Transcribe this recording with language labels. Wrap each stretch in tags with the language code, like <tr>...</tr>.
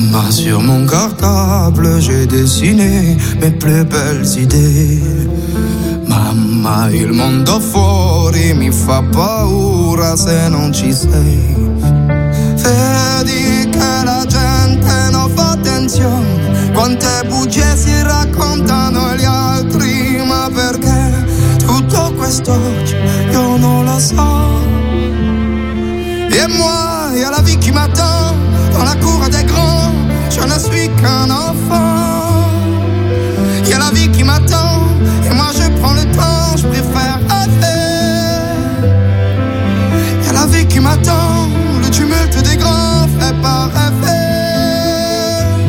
<fr>Sur mon cartable, j'ai dessiné mes plus belles idées.</fr> <it>Mamma, il mondo fuori mi fa paura se non ci sei. Vedi che la gente non fa attenzione, quante bugie si raccontano gli altri. Ma perché tutto questo oggi io non lo so.</it> <fr>E moi, y'a la vie qui m'attend dans la cour des grands. Je ne suis qu'un enfant. Y'a la vie qui m'attend. Et moi je prends le temps. Je préfère rêver. Y'a la vie qui m'attend. Le tumulte des grands fait pas rêver.</fr>